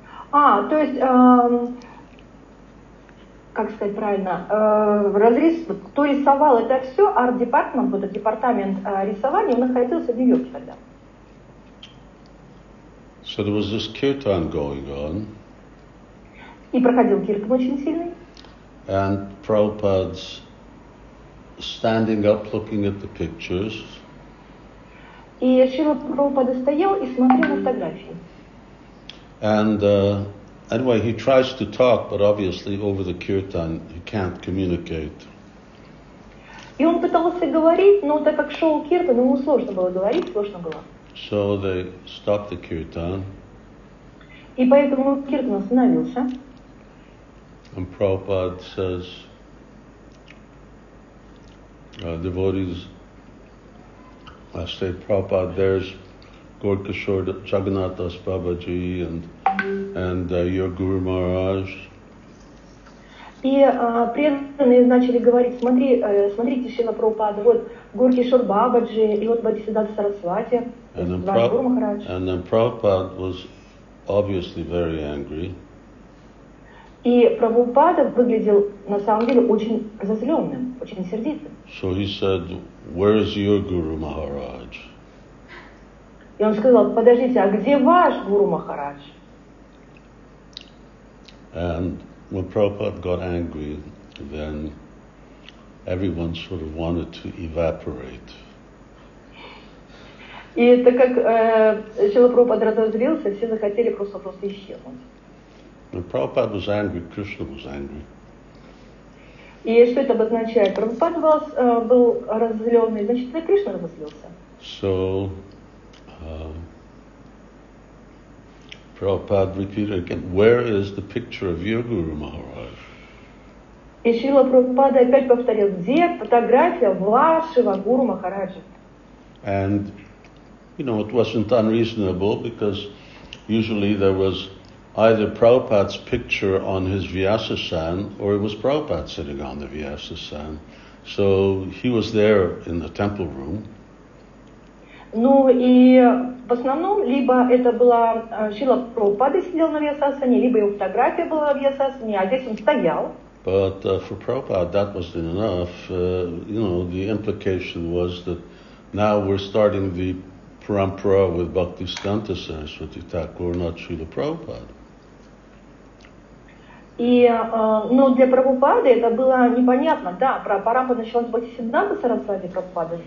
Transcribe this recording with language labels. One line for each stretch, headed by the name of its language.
Russian: А, то есть, как сказать правильно, разрис, кто рисовал это все,
English: art department,
Russian: вот этот департамент рисования, он находился в Нью-Йорке тогда.
English: So there was this kirtan going on.
Russian: И проходил киртан очень сильный.
English: And Prabhupada's standing up, looking at the pictures.
Russian: И Шрила Прабхупада стоял и смотрел фотографии.
English: And anyway, he tries to talk, but obviously over the kirtan he can't communicate.
Russian: И он пытался говорить, но так как шел киртан, ему сложно было говорить, сложно было.
English: So they stopped the kirtan.
Russian: И поэтому киртан остановился.
English: And Prabhupada says, devotees, I say, Prabhupada, there's Gaur Kishore Jagannath Das Babaji and your Guru Maharaj.
Russian: И преданные начали говорить, смотри, смотрите, Шрила Прабхупада, вот Гур Кишор Бабаджи, и вот Бхактисиддханта Сарасвати, ваш Гуру Махарадж.
English: And then Prabhupada was obviously very angry.
Russian: И Прабхупада выглядел на самом деле очень разозленным, очень сердитым.
English: So he said, where is your Guru Maharaj?
Russian: И он сказал, подождите, а где ваш Гуру Махарадж?
English: And when Prabhupada got angry, then everyone sort of wanted to evaporate.
Russian: И так как Шрила Прабхупада разозлился, все захотели просто исчезнуть.
English: When Prabhupada was angry, Krishna was angry.
Russian: И что это обозначает? Прабхупада был разозленный, значит, и Кришна разозлился.
English: So, Prabhupada repeated again, where is the picture of your Guru Maharaj?
Russian: И Шрила Прабхупада опять повторил, где фотография вашего Гуру Махараджа?
English: And, you know, it wasn't unreasonable because usually there was either Prabhupada's picture on his Vyasasan or it was Prabhupada sitting on the Vyasasan. So he was there in the temple room.
Russian: Ну и в основном, либо это была Шрила Прабхупада сидел на Вьясасане, либо его фотография была в Вьясасане, а здесь он стоял.
English: But for Prabhupada that wasn't enough. You know, the implication was that now we're starting the parampara with Bhaktisthanta Saraswati Thakur, not Srila Prabhupada.
Russian: И, но для Прабхупады это было непонятно. Да, парампара началась с Бхактисиддханта Сарасвати Прабхупада.